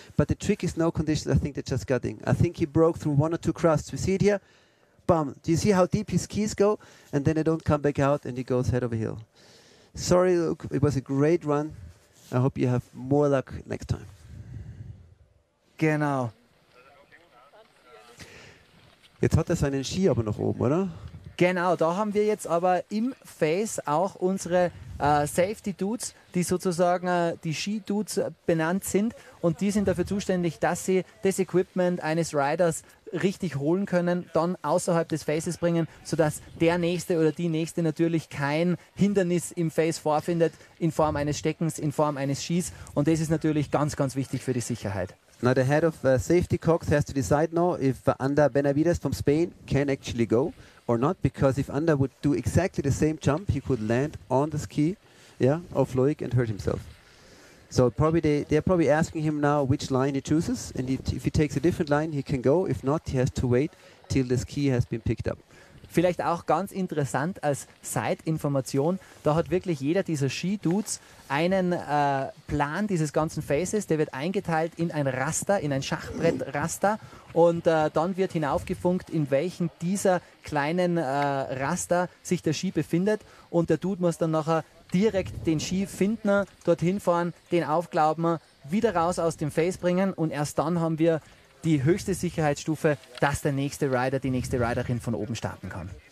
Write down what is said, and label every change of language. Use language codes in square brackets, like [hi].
[en] But the tricky snow conditions, I think, they're just gutting. I think he broke through one or two crusts. We see it here. Bam. Do you see how deep his skis go? And then they don't come back out and he goes head over heel. Sorry, Luke. It was a great run. I hope you have more luck next time. [de] Genau. Jetzt hat er seinen Ski aber noch oben, oder? Genau, da haben wir jetzt aber im Face auch unsere Safety Dudes, die sozusagen die Ski Dudes benannt sind. Und die sind dafür zuständig, dass sie das Equipment eines Riders richtig holen können, dann außerhalb des Faces bringen, sodass der Nächste oder die Nächste natürlich kein Hindernis im Face vorfindet, in Form eines Steckens, in Form eines Skis. Und das ist natürlich ganz, ganz wichtig für die Sicherheit. [en] Now the head of safety Cox has to decide now if Ander Benavides from Spain can actually go or not, because if Ander would do exactly the same jump, he could land on the ski of Loic and hurt himself. So probably they're probably asking him now which line he chooses, and if he takes a different line, he can go. If not, he has to wait till the ski has been picked up. [de] Vielleicht auch ganz interessant als Side-Information, da hat wirklich jeder dieser Ski-Dudes einen Plan dieses ganzen Faces, der wird eingeteilt in ein Raster, in ein Schachbrett-Raster, und dann wird hinaufgefunkt, in welchen dieser kleinen Raster sich der Ski befindet, und der Dude muss dann nachher direkt den Ski finden, dorthin fahren, den aufglauben, wieder raus aus dem Face bringen, und erst dann haben wir die höchste Sicherheitsstufe, dass der nächste Rider, die nächste Riderin von oben starten kann.